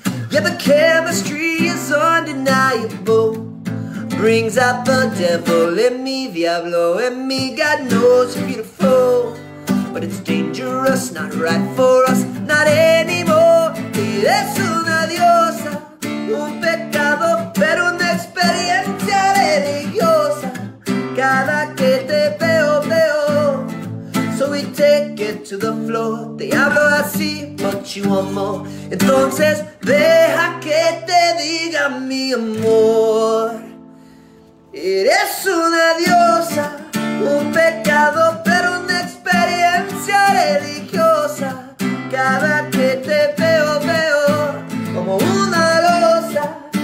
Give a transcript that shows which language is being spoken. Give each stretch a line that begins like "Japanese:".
English: Yeah, the chemistry is undeniable. Brings out the devil in me, Diablo in me. God knows you're beautiful, but it's dangerous, not right for us, not anymore.
Spanish: Eres una diosa, un pecado, pero una experiencia religiosa. Cada que te veo, veo.
English: So we take it to the floor. Diablo, I see, but you want more.
Spanish: Entonces, deja que te diga mi amor. Eres una diosa, un pecado, pero una experiencia religiosa. Cada que te veo, veo como una losa.